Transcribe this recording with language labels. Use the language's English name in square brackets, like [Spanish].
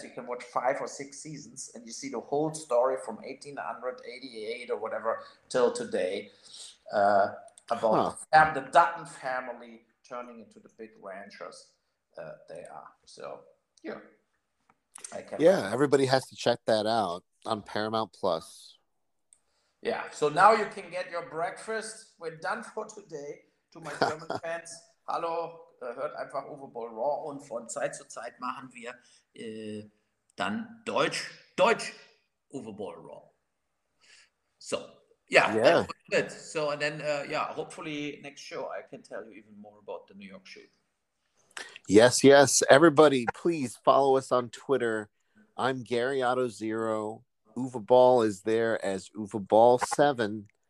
[English] So you can watch five or six seasons and you see the whole story from 1888 or whatever till today the Dutton family turning into the big ranchers they are. So, remember. Everybody has to check that out on Paramount Plus. Yeah, so now you can get your breakfast. We're done for today to my German fans. [German] Hallo, hört einfach Overball Raw und von Zeit zu Zeit machen wir dann Deutsch Overball Raw. [English] So, yeah. That was good. So, and then, hopefully next show I can tell you even more about the New York shoot. Yes, yes. Everybody, please follow us on Twitter. I'm Gary Otto Zero. Overball is there as Overball 7.